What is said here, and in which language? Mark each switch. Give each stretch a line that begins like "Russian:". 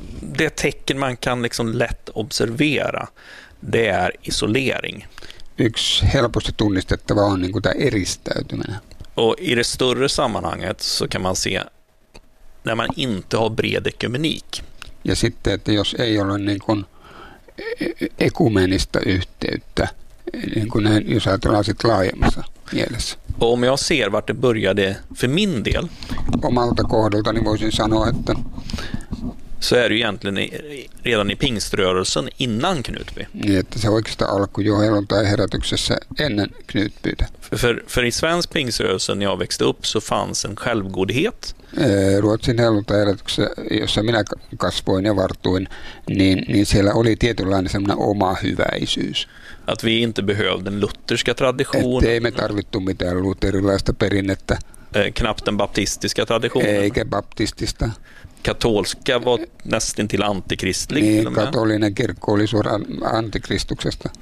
Swedish: Det tecken man kan liksom lätt observera, det är isolering.
Finnish: Yksi helposti tunnistettava on niin kuin tämä eristäytyminen.
Swedish: Och i det större sammanhanget så kan man se när man inte har bred ekumenik.
Finnish: Ja sitten, että jos ei ole niin kuin ekumenista yhteyttä, niin kuin näin, jos ajatellaan sitten laajemmassa mielessä.
Swedish: Och om jag ser vart det började för min del.
Finnish: Omalta kohdalta niin voisin sanoa, että
Swedish: så är det egentligen redan i pingströrelsen innan Knutby.
Finnish: Niin, että se oikeastaan alkoi jo helluntaiherätyksessä ennen Knutbyta.
Swedish: För i svensk pingströrelse när jag växte upp så fanns en självgodhet.
Finnish: Ruotsin helluntaiherätyksessä, jossa minä kasvoin ja vartuin, niin siellä oli tietynlainen semmoinen oma hyväisyys.
Swedish: Att vi inte behövde den lutherska traditionen.
Finnish: Ettei me tarvittu mitään luterilaista perinnettä.
Swedish: Knappt den baptistiska traditionen.
Finnish: Eikä baptistista.
Swedish: Katolska var nästan till antikristlig.
Finnish: Niin, katolinen kirkko oli suoraan antikristuksesta.